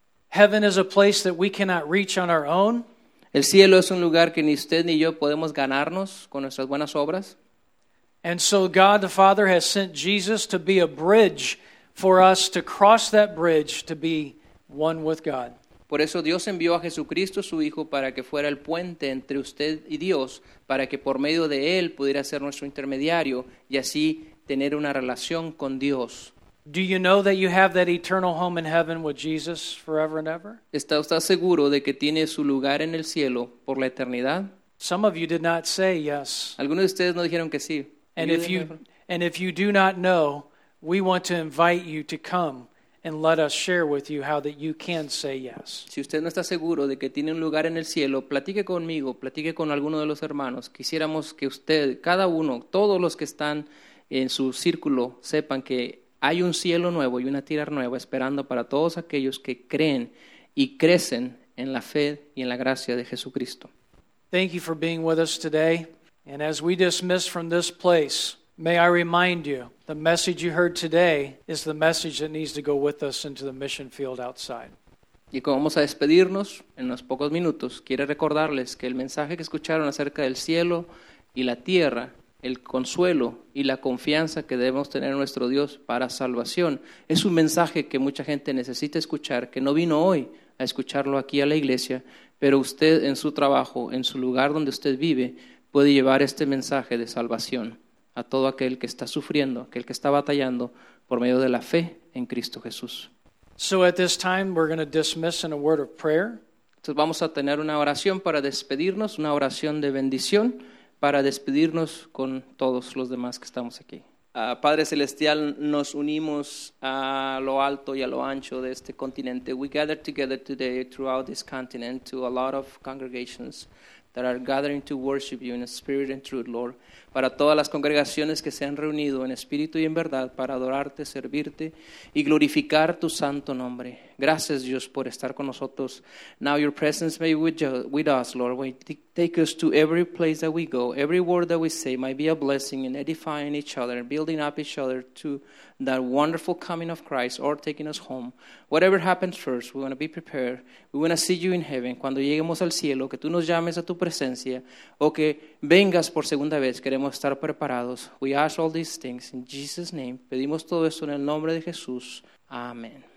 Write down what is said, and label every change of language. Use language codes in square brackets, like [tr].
[en] Heaven is a place that we cannot reach on our own. [es] El cielo es un lugar que ni usted ni yo podemos ganarnos con nuestras buenas obras. [en] And so God the Father has sent Jesus to be a bridge for us to cross that bridge to be one with God. [es] Por eso Dios envió a Jesucristo, su Hijo, para que fuera el puente entre usted y Dios, para que por medio de Él pudiera ser nuestro intermediario y así tener una relación con Dios. [en] Do you know that you have that eternal home in heaven with Jesus forever and ever? [es] ¿Está usted seguro de que tiene su lugar en el cielo por la eternidad? [en] Some of you did not say yes. [es] Algunos de ustedes no dijeron que sí. [en] And if you do not know, we want to invite you to come. And let us share with you how that you can say yes. [es] Si usted no está seguro de que tiene un lugar en el cielo, platique conmigo, platique con alguno de los hermanos. Quisiéramos que usted, cada uno, todos los que están en su círculo, sepan que hay un cielo nuevo y una tierra nueva esperando para todos aquellos que creen y crecen en la fe y en la gracia de Jesucristo. [en] Thank you for being with us today. And as we dismiss from this place, may I remind you, the message you heard today is the message that needs to go with us into the mission field outside. [es] Y como vamos a despedirnos en unos pocos minutos, quiero recordarles que el mensaje que escucharon acerca del cielo y la tierra, el consuelo y la confianza que debemos tener en nuestro Dios para salvación, es un mensaje que mucha gente necesita escuchar, que no vino hoy a escucharlo aquí a la iglesia, pero usted en su trabajo, en su lugar donde usted vive, puede llevar este mensaje de salvación a todo aquel que está sufriendo, aquel que está batallando por medio de la fe en Cristo Jesús. [en] So at this time, we're going to dismiss in a word of prayer. [es] Entonces vamos a tener una oración para despedirnos, una oración de bendición para despedirnos con todos los demás que estamos aquí. Padre Celestial, nos unimos a lo alto y a lo ancho de este continente. [en] We gather together today throughout this continent to a lot of congregations that are gathering to worship you in spirit and truth, Lord. [es] Para todas las congregaciones que se han reunido en espíritu y en verdad para adorarte, servirte y glorificar tu santo nombre. Gracias, Dios, por estar con nosotros. [en] Now your presence may be with us, Lord. We take us to every place that we go. Every word that we say might be a blessing in edifying each other, building up each other to that wonderful coming of Christ or taking us home. Whatever happens first, we want to be prepared. We want to see you in heaven. [es] Cuando lleguemos al cielo, que tú nos llames a tu presencia o que vengas por segunda vez, queremos estar preparados. [en] We ask all these things in Jesus' name. [es] Pedimos todo esto en el nombre de Jesús. Amén.